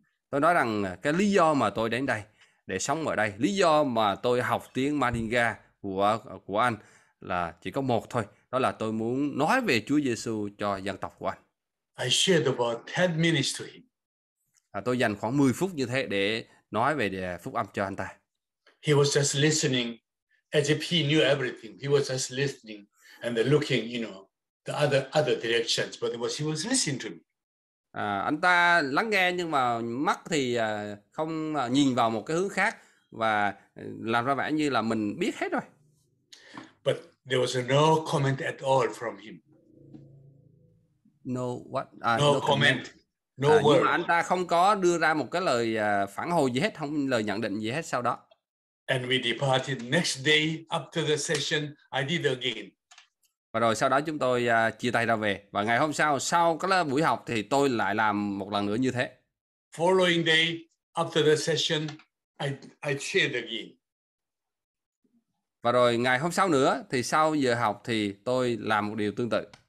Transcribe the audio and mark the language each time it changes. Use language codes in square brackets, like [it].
[vi] Tôi nói rằng cái lý do mà tôi đến đây để sống ở đây, lý do mà tôi học tiếng Mandinka của anh là chỉ có một thôi, đó là tôi muốn nói về Chúa Giêsu cho dân tộc của anh. [en] I shared about 10 minutes to him. [vi] Tôi dành khoảng 10 phút như thế để nói về phúc âm cho anh ta. [en] He was just listening as if he knew everything. He was just listening and looking, you know, the other directions, but he was listening to me. [vi] Anh ta lắng nghe nhưng mà mắt thì không nhìn vào một cái hướng khác và làm ra vẻ như là mình biết hết rồi. [en] But there was no comment at all from him. No what? No comment. [vi] Nhưng mà anh ta không có đưa ra một cái lời phản hồi gì hết, không lời nhận định gì hết sau đó. [en] And we departed next day after the session, I did again. [vi] Và rồi sau đó chúng tôi chia tay ra về. Và ngày hôm sau, sau cái buổi học thì tôi lại làm một lần nữa như thế. [en] Following day, after the session, I shared again. [vi] Và rồi ngày hôm sau nữa, thì sau giờ học thì tôi làm một điều tương tự.